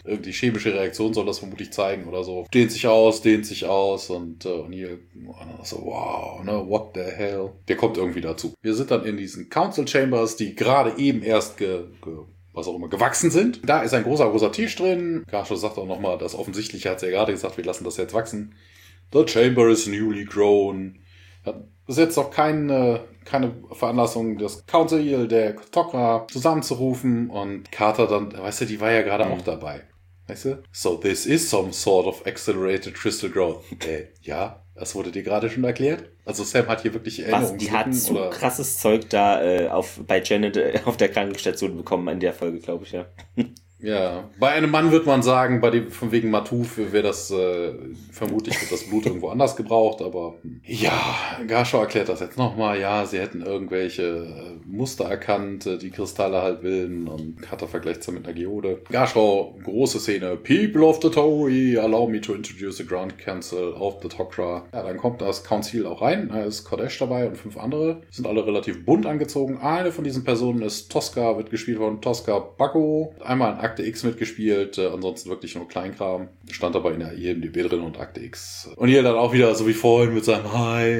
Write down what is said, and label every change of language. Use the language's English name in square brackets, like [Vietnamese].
[German] Irgendwie chemische Reaktion soll das vermutlich zeigen oder so. Dehnt sich aus und O'Neill so, wow, ne, [English] what the hell. [German] Der kommt irgendwie dazu. Wir sind dann in diesen Council Chambers, die gerade eben erst gewachsen sind. Da ist ein großer Tisch drin. Garshaw sagt auch nochmal, das Offensichtliche hat sie ja gerade gesagt, wir lassen das jetzt wachsen. [English] The chamber is newly grown. [German] Das ist jetzt noch keine Veranlassung, das Council der Tok'ra zusammenzurufen. Und Carter dann, weißt du, die war ja gerade auch dabei. Weißt du? [English] So, this is some sort of accelerated crystal growth. [German] Ja, das wurde dir gerade schon erklärt. Also Sam hat hier wirklich Erinnerungen. Die hat so krasses Zeug da bei Janet auf der Krankenstation bekommen in der Folge, glaube ich, ja. Ja, bei einem Mann wird man sagen, bei dem von wegen Matuf wäre das vermutlich wird das Blut irgendwo anders gebraucht, aber ja, Garshaw erklärt das jetzt nochmal. Ja, sie hätten irgendwelche Muster erkannt, die Kristalle halt bilden und Carter vergleicht es mit einer Geode. Garshaw, große Szene. [English] People of the Tauri, allow me to introduce the Grand Council of the Tok'ra. [German] Ja, dann kommt das Council auch rein. Da ist Cordesh dabei und 5 andere. Sind alle relativ bunt angezogen. Eine von diesen Personen ist Tosca, wird gespielt von Tosca Bacco. Einmal Akte X mitgespielt, ansonsten wirklich nur Kleinkram. Stand aber in der IMDb drin und Akte X. Und hier dann auch wieder so wie vorhin mit seinem Hi.